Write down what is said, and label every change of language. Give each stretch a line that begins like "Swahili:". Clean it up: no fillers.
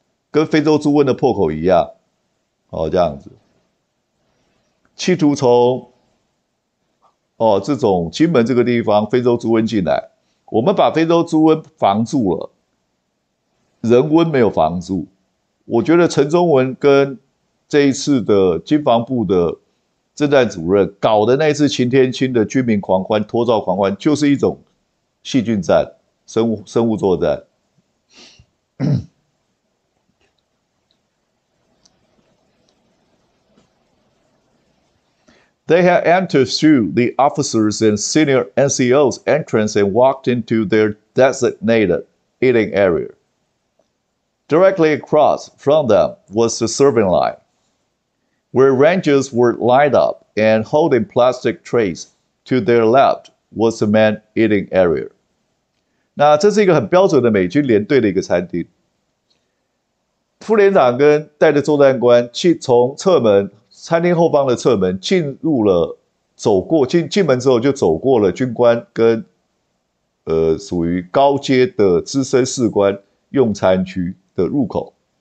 Chinese: 跟非洲猪瘟的破口一样，这样子，企图从这种金门这个地方非洲猪瘟进来，我们把非洲猪瘟防住了，人瘟没有防住。我觉得陈宗文跟这一次的军防部的。政战主任搞的那次擎天轻的居民狂欢、脱罩狂欢，就是一种细菌战、生物作战
English: They had entered through the officers and senior NCOs entrance and walked into their designated eating area. Directly across from them was the serving line, where rangers were lined up. And holding plastic trays to their left was the main eating area。
Chinese: 那这是一个很标准的美军连队的一个餐厅。副连长跟带着作战官去从侧门，餐厅后方的侧门进入了，走过进门之后就走过了军官跟属于高阶的资深士官用餐区的入口。